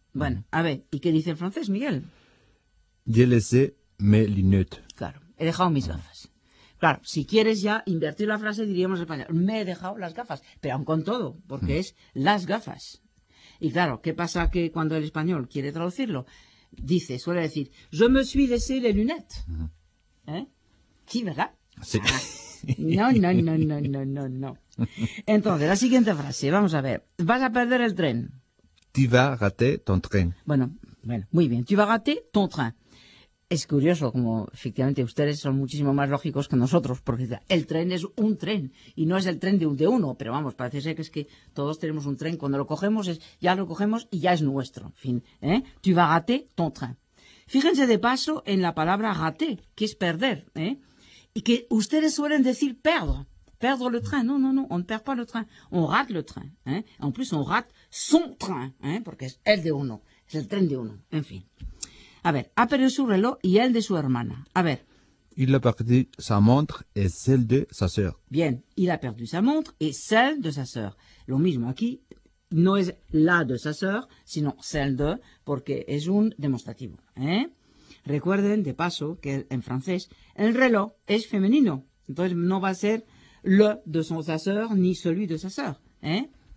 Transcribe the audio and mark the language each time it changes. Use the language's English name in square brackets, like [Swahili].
[Spanish] Bueno, a ver, ¿y qué dice en francés, Miguel? [French] Je laisse mes lunettes. [Spanish] Claro. He dejado mis gafas. Claro, si quieres ya invertir la frase, diríamos en español, me he dejado las gafas, pero aún con todo, porque es las gafas. Y claro, ¿qué pasa que cuando el español quiere traducirlo? Dice, suele decir, [French] je me suis laissé les lunettes. [Spanish] ¿Eh? Sí, ¿verdad? Sí. No. Entonces, la siguiente frase, vamos a ver. Vas a perder el tren. [French] Tu vas rater ton train. [Spanish] Bueno, muy bien. [French] Tu vas rater ton train. [Spanish] Es curioso, como efectivamente ustedes son muchísimo más lógicos que nosotros, porque el tren es un tren, y no es el tren de uno, pero vamos, parece ser que es que todos tenemos un tren, cuando lo cogemos, ya lo cogemos y ya es nuestro, en fin, ¿eh? [French] Tu vas rater ton train. [Spanish] Fíjense de paso en la palabra rater, que es perder, ¿eh? Y que ustedes suelen decir [French] perdre le train, [Spanish] no, [French] on ne perd pas le train, [Spanish] on rate le train, ¿eh? [French] En plus, on rate son train, ¿eh? [Spanish] Porque es el de uno, es el tren de uno, en fin. A ver, ha perdido su reloj y el de su hermana. A ver. [French] Il a perdu sa montre et celle de sa sœur. Bien, il a perdu sa montre et celle de sa sœur. [Spanish] Lo mismo aquí, no es la de sa sœur, sino celle de, porque es un demostrativo, ¿eh? Recuerden, de paso, que en francés el reloj es femenino. Entonces no va a ser [French] le de son sa sœur [Spanish] ni [French] celui de sa sœur, [Spanish] ¿eh?